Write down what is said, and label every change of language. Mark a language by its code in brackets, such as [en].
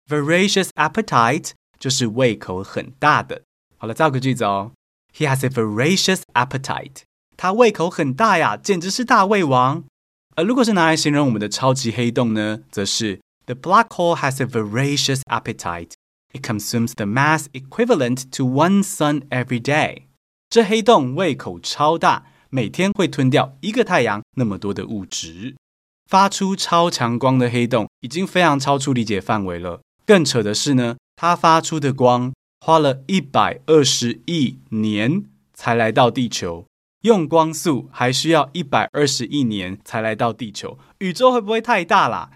[zh] voracious appetite 就是胃口很大的。好了，造个句子哦。 He has a voracious appetite，他胃口很大呀，简直是大胃王。而如果是拿来形容我们的超级黑洞呢，则是 The black hole has a voracious appetite. [en] It consumes the mass equivalent to one sun every day. 这黑洞胃口超大， [zh] 每天会吞掉一个太阳那么多的物质。发出超强光的黑洞已经非常超出理解范围了。更扯的是呢，它发出的光花了120亿年才来到地球。用光速还需要120亿年才来到地球，宇宙会不会太大啦？